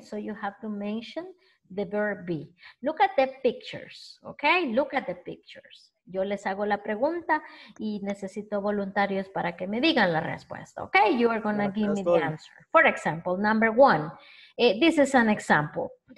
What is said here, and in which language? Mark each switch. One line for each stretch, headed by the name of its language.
English: So you have to mention the verb be. Look at the pictures, okay? Look at the pictures.
Spanish: Yo les hago la pregunta y necesito voluntarios para que me digan la respuesta, okay?
English: You are going to give me the answer. For example, number one, this is an example.